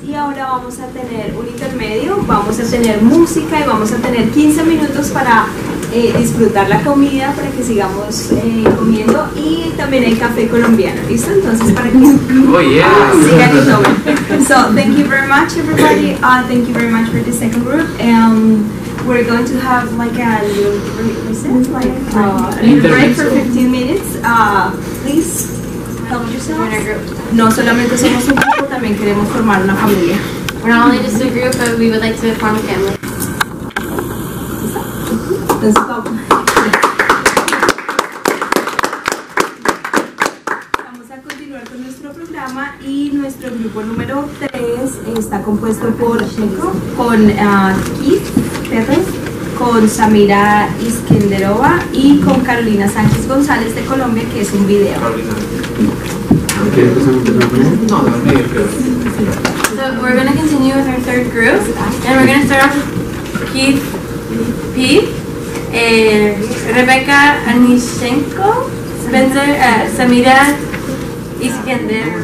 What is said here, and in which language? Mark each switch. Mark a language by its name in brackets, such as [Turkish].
[Spanish] Y ahora vamos a tener un intermedio, vamos a tener música y vamos a tener 15 minutos para disfrutar la comida, para que sigamos comiendo y también el café colombiano, ¿listo? Entonces para que sigan el nombre. [English] So thank you very much everybody, thank you very much for the second group, and we're going to have like a little break for 15 minutes, please help yourselves. [Spanish] No solamente somos un grupo, también queremos formar una familia. [English] We're not only just a group, but we would like to form a family. [Spanish] Vamos a continuar con nuestro programa y nuestro grupo número 3 está compuesto por Chico, con Keith Perre, con Samira Iskenderova y con Carolina Sánchez González de Colombia, que es un video. [English] So we're going to continue with our third group and we're going to start off with Keith P. Rebeka Anischenko, Spencer, Samira Iskenderova.